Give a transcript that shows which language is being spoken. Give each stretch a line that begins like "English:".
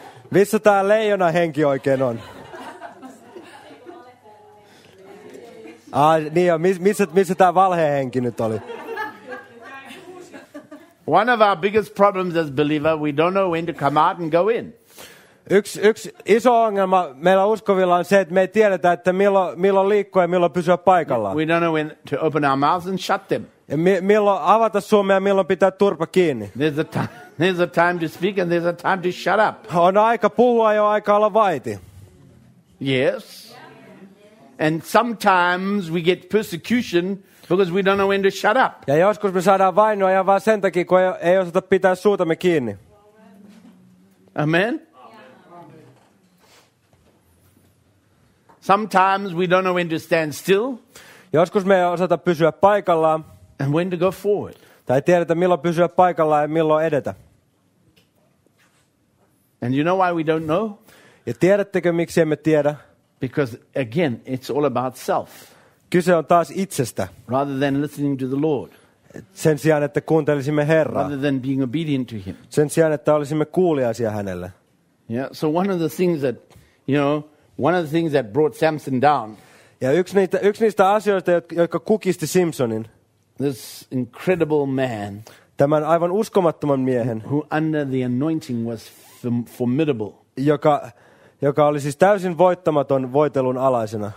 Finnish: Missä tää leijona henki oikein on? Niin jo, missä tää valhehenki nyt oli?
English: One of our biggest problems as believer, we don't know when to come out and go in.
Finnish: Yksi iso ongelma meillä uskovilla on se, että me ei tiedetä, että milloin liikkua ja milloin pysyä paikallaan.
English: We don't know when to open our mouths and shut them.
Finnish: Milloin avata suumme ja milloin pitää turpa kiinni.
English: There's a time to speak and there's a time to shut up.
Finnish: On aika puhua ja aika olla vaiti.
English: Yes. And sometimes we get persecution because we don't know when to shut up.
Finnish: Ja joskus me saadaan vainoa ja vaan sen takia, kun ei osata pitää suutamme kiinni. Amen.
English: Sometimes we don't know when to stand still.
Finnish: Joskus me ei osata pysyä paikallaan.
English: And when to go forward.
Finnish: Tai tiedetä, milloin pysyä paikallaan ja milloin edetä.
English: And you know why we don't know?
Finnish: Ja tiedättekö, miksi emme tiedä?
English: Because again, it's all about self.
Finnish: Kyse on taas itsestä.
English: Rather than listening to the Lord.
Finnish: Sen sijaan, että kuuntelisimme Herraa.
English: Rather than being obedient to Him.
Finnish: Sen sijaan, että olisimme kuuliaisia Hänelle.
English: Yeah, so one of the things that, you know, one of the things that brought Samson down.
Finnish: Ja yksi niistä asioista, jotka kukisti Simpsonin.
English: This incredible man.
Finnish: Tämän aivan uskomattoman miehen.
English: Who under the anointing was formidable.
Finnish: Joka oli siis täysin voittamaton voitelun alaisena.